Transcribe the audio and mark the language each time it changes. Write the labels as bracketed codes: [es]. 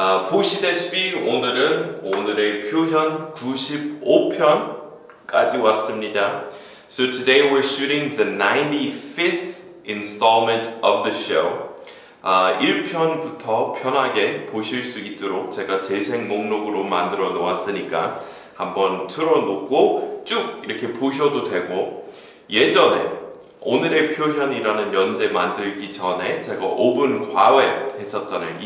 [ko] 보시다시피 오늘은 오늘의 표현 95편까지 왔습니다. [en] So today we're shooting the 95th installment of the show. [ko] 1편부터 편하게 보실 수 있도록 제가 재생 목록으로 만들어 놓았으니까 한번 틀어놓고 쭉 이렇게 보셔도 되고, 예전에 오늘의 표현이라는 연재 만들기 전에 제가 5분 과외 했었잖아요.